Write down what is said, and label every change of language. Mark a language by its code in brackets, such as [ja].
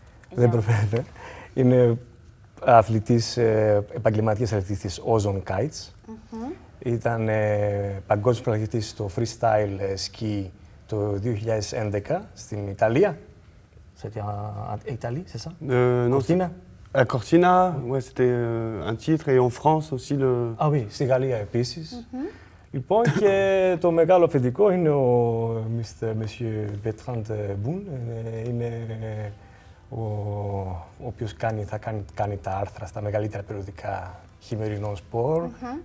[el] Δεν προφέρεται. Είναι αθλητής, επαγγελματίας αθλητής Ozone Kites. Mm-hmm. Ήταν παγκόσμιος πρωταθλητής στο freestyle ski το 2011 στην Ιταλία. Σε Ιταλία, σε εσά. Κορτίνα. [fr] À Cortina, ouais, c'était un titre et en France aussi le. Ah oui, [el] στη Γαλλία επίσης. Λοιπόν, και το μεγάλο αφεντικό είναι ο Μισιέ Μπετράντ Μπουν, είναι ο οποίος θα κάνει τα άρθρα στα μεγαλύτερα περιοδικά χειμερινών σπορ, mm-hmm.